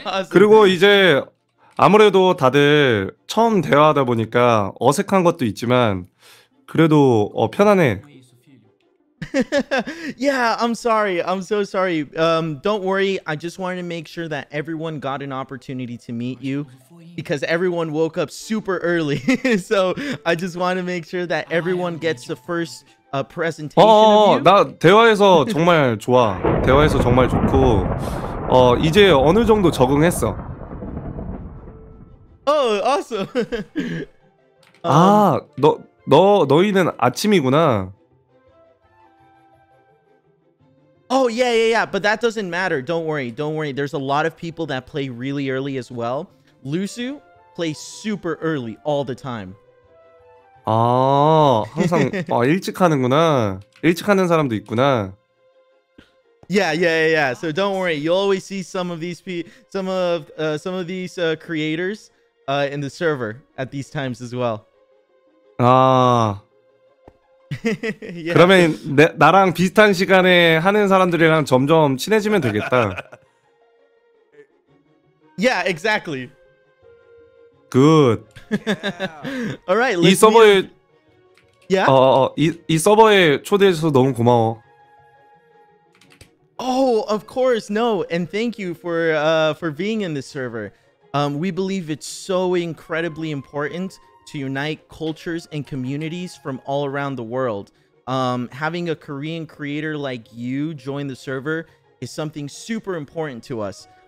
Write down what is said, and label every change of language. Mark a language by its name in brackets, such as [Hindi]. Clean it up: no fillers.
[Korean] 그리고 이제 아무래도 다들 처음 대화하다 보니까 어색한 것도 있지만 그래도 편안해. [English] Yeah, I'm sorry. I'm so sorry. Don't worry. I just wanted to make sure that everyone got an opportunity to meet you because everyone woke up super early. So I just want to make sure that everyone gets the first presentation. [Korean] 나 대화해서 정말 좋아. 대화해서 정말 좋고 이제 어느 정도 적응했어. [English] Oh, awesome. [Korean] 너희는 아침이구나. [English] Oh, yeah, but that doesn't matter. Don't worry. There's a lot of people that play really early as well. Lusu plays super early all the time. [Korean] 아, 항상 일찍 하는구나. 일찍 하는 사람도 있구나. [English] Yeah. So don't worry. You always see some of these creators in the server at these times as well. 아. Yeah. [Korean] 그러면 나랑 비슷한 시간에 하는 사람들이랑 점점 친해지면 되겠다. [English] Yeah, exactly. Good. Yeah. All right. [Korean] 이 서버에 [English] Yeah. [Korean] 이 서버에 초대해 주셔서 너무 고마워. [English] Oh, of course. No, and thank you for being in this server. We believe it's so incredibly important to unite cultures and communities from all around the world. Having a Korean creator like you join the server is something super important to us.